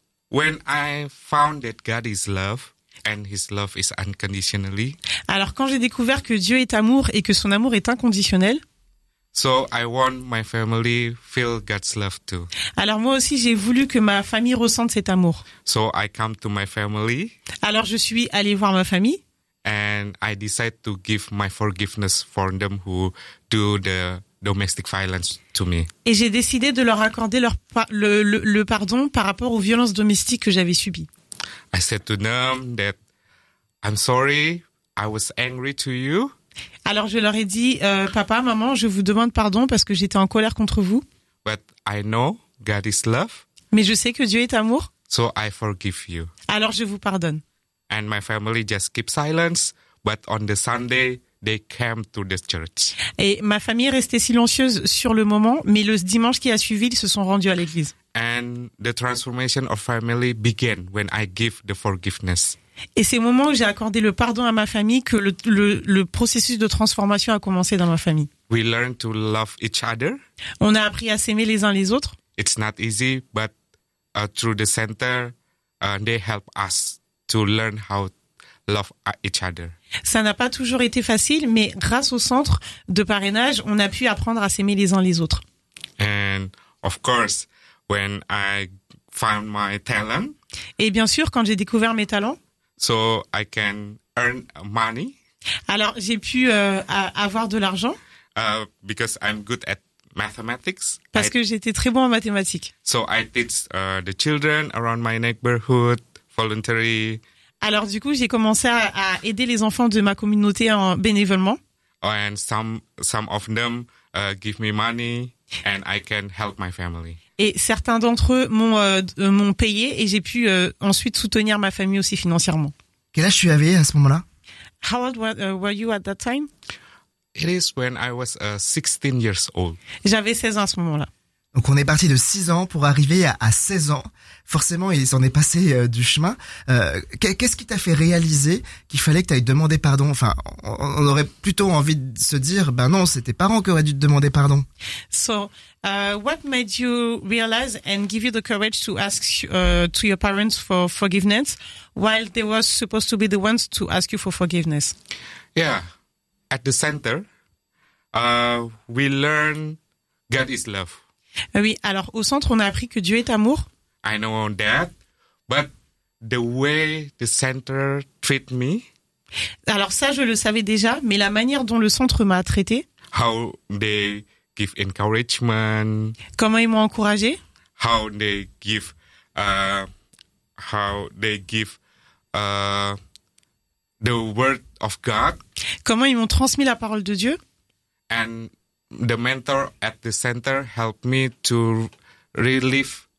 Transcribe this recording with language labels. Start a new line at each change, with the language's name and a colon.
English: When I found that God is love and his love is unconditionally.
French: Alors quand j'ai découvert que Dieu est amour et que son amour est inconditionnel.
English: So I want my family feel God's love too.
French: Alors moi aussi j'ai voulu que ma famille ressente cet amour.
English: So I come to my family.
French: Alors je suis allé voir ma famille.
English: And I decide to give my forgiveness for them who do the domestic violence to me.
French: Et j'ai décidé de leur accorder le pardon par rapport aux violences domestiques que j'avais subies.
English: I said to them that I'm sorry, I was angry to you.
French: Alors je leur ai dit, papa, maman, je vous demande pardon parce que j'étais en colère contre vous.
English: But I know God is love.
French: Mais je sais que Dieu est amour.
English: So I forgive you.
French: Alors je vous pardonne.
English: And my family just keep silence, but on the Sunday they came to the church.
French: Et ma famille restait silencieuse sur le moment, mais le dimanche qui a suivi, ils se sont rendus à l'église.
English: And the transformation of family began when I give the forgiveness.
French: Et c'est au moment où j'ai accordé le pardon à ma famille que le processus de transformation a commencé dans ma famille.
English: We learn to love each other.
French: On a appris à s'aimer les uns les autres.
English: It's not easy, but through the center, they help us to learn how love each other.
French: Ça n'a pas toujours été facile, mais grâce au centre de parrainage, on a pu apprendre à s'aimer les uns les autres.
English: And of course, when I found my talent.
French: Et bien sûr, quand j'ai découvert mes talents.
English: So I can earn money.
French: Alors j'ai pu avoir de l'argent.
English: Because I'm good at mathematics.
French: Parce que j'étais très bon en mathématiques.
English: So I teach the children around my neighborhood voluntarily.
French: Alors du coup j'ai commencé à aider les enfants de ma communauté en bénévolement.
English: And some of them give me money and I can help my family.
French: Et certains d'entre eux m'ont payé et j'ai pu ensuite soutenir ma famille aussi financièrement. Quel âge tu avais à ce moment-là?
English: How old were you at that time? It is when I was 16 years old.
French: J'avais 16 ans à ce moment-là. Donc on est parti de 6 ans pour arriver à 16 ans. Forcément, il s'en est passé du chemin. Qu'est-ce qui t'a fait réaliser qu'il fallait que tu ailles demander pardon? Enfin, on aurait plutôt envie de se dire, ben non, c'est tes parents qui auraient dû te demander pardon.
English: So, what made you realize and give you the courage to ask to your parents for forgiveness while they were supposed to be the ones to ask you for forgiveness? Yeah, at the center, we learn God is love.
French: Oui, alors au centre, on a appris que Dieu est amour.
English: I know that, but the way the center treat me.
French: Alors ça, je le savais déjà, mais la manière dont le centre m'a traité.
English: How they give encouragement.
French: Comment ils m'ont encouragé.
English: How they give the word of God.
French: Comment ils m'ont transmis la parole de Dieu.
English: And the mentor at the center helped me to relive